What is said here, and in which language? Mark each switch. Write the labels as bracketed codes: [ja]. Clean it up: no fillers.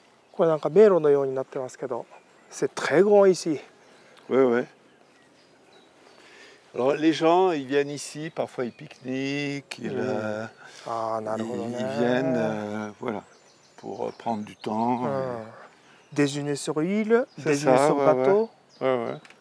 [ja] これなんか迷路のようになってますけど、 [fr] c'est très grand ici。 ouais ouais。 Alors, les gens, ils viennent ici, parfois ils pique-niquent, ils, ils viennent voilà, pour prendre du temps. Déjeuner sur l'île, c'est déjeuner ça, sur ouais, bateau. Ouais. Ouais, ouais.